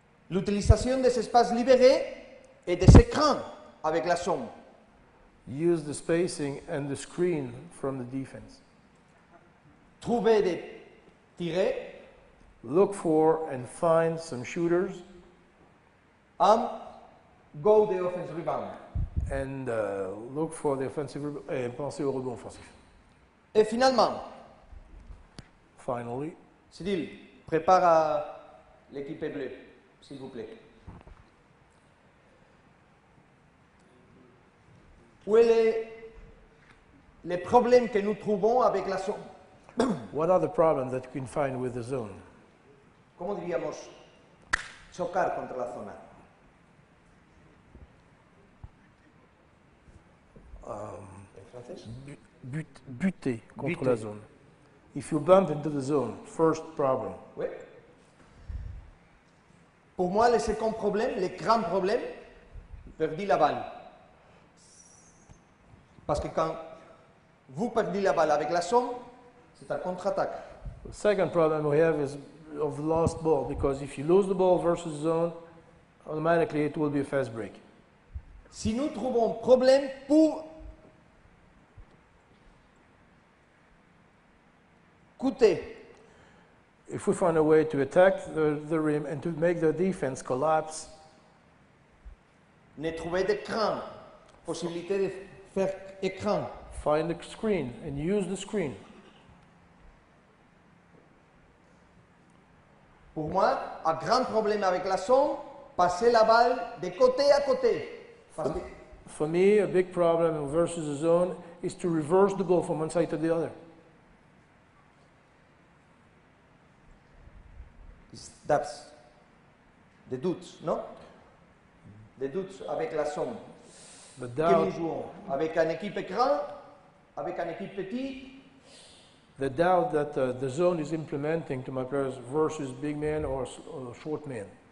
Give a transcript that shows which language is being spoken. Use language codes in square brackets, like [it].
[fr] L'utilisation des espaces libérés et des écrans avec la zone. [en] Use the spacing and the screen from the defense. [fr] Trouvez des tireurs. [en] Look for and find some shooters. Go the offensive rebound. And look for the offensive rebound. [fr] Pensez au rebond offensif. Et finalement. [en] Finally. [fr] Cyril, prépare l'équipe bleue, s'il vous plaît. Où est les problèmes que nous trouvons avec la zone? [en] What are the problems that you can find with the zone? [es] ¿Cómo diríamos chocar contra la zona? [fr] Buter contre buter. La zone. [en] If you bump into the zone, first problem. [fr] Oui. Pour moi, le second problème, le grand problème, perdit la balle. Parce que quand vous perdez la balle avec la zone, c'est un contre-attaque. [en] The second problem we have is of lost ball, because if you lose the ball versus zone, automatically it will be a fast break. [fr] Si nous trouvons problème pour coûter. [en] If we find a way to attack the rim and to make the defense collapse, [fr] ne trouvez des crans, possibilité de faire écran. [en] Find the screen and use the screen. [fr] Pour moi, un grand problème avec la zone, passer la balle de côté à côté. [en] For me, a big problem versus the zone is to reverse the ball from one side to the other. That's the doubts, no? The doubts [fr] avec la zone. [en] But doubt, [fr] que nous jouons avec une équipe grande, avec une équipe petite. [en] The doubt that the zone is implementing to my players versus big men or short men.